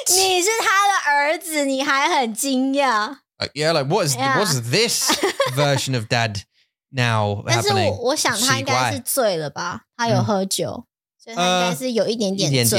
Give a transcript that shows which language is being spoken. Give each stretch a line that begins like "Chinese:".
Chinese: 你是他的儿子，你还很惊讶?
English: Yeah, like what is this version of dad? Now,
Chinese: 但是我想他应该是醉了吧，他有喝酒，所以他应该是有一点点醉。